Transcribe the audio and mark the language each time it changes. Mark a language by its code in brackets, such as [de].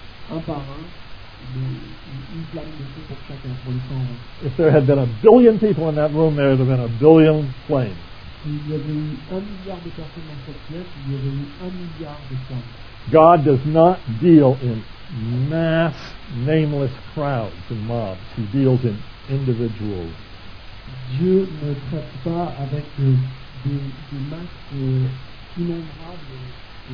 [fr] Un par un, une flamme de feu pour chacun, pour les 120. [en] If there had been a billion people in that room, there would have been a billion flames. [fr] S'il y avait eu un milliard de personnes dans cette pièce, il y aurait eu un milliard de flammes. [en] God does not deal in mass, nameless crowds and mobs. He deals in individuals. [fr] Dieu ne traite pas avec des masses innombrables.